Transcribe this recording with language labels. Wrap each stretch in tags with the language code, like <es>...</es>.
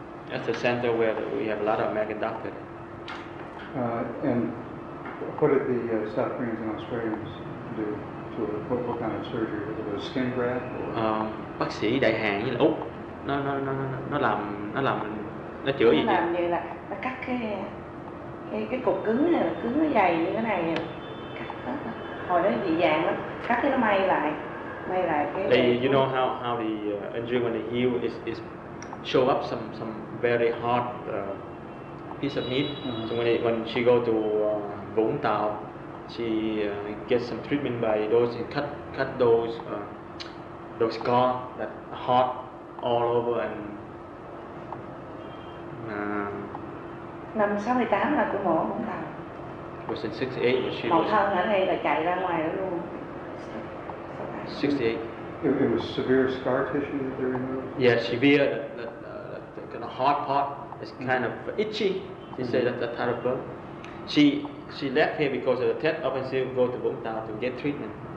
<en>That's the center where we have a lot of American doctors. And what did the South Koreans and Australians do to a what kind of surgery? Was it a skin graft?</en> <vi>Bác sĩ Đại Hàn với là Úc, nó chữa gì vậy? Nó làm như là nó cắt cái cục cứng nó dày như thế này, cắt hết. Hồi đó dị dạng lắm, cắt cái nó may lại.</vi> <en>You know how the injury when they heal is show up some very hard piece of meat. Mm-hmm. So when she go to Vũng Tàu, she get some treatment by those cut those scar that hard all over and.</en> <vi>Năm 68 là cô mổ Vũng Tàu.</vi> <en>Was in 68 when she.</en> <vi>Một thân ở đây là chạy ra ngoài đó luôn. 68.</vi> <en>It was severe scar tissue that they removed? Yeah, severe, the kind of hard part is kind of itchy. She mm-hmm. said that type of bone. She left here because of the Tet Offensive go to Vũng Tàu to get treatment.</en>